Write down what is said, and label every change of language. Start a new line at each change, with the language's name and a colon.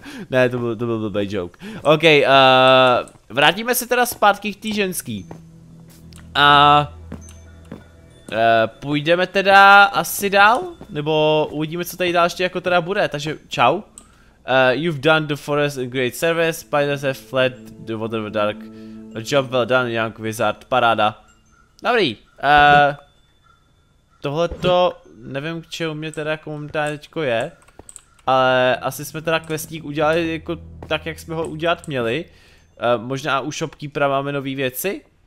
Czech: Ne, to byl blbý joke. Ok, vrátíme se teda zpátky k tý ženský. A půjdeme teda asi dál? Nebo uvidíme, co tady dál ještě jako teda bude, takže čau.
English: You've done the forest a great service, spiders have fled the water of the dark. A job well done, young wizard,
Czech: paráda. Dobrý, tohleto, nevím k čemu mě teda komentářečko je. Ale asi jsme teda questík udělali jako tak, jak jsme ho udělat měli. Možná u shopkeepera máme nové věci.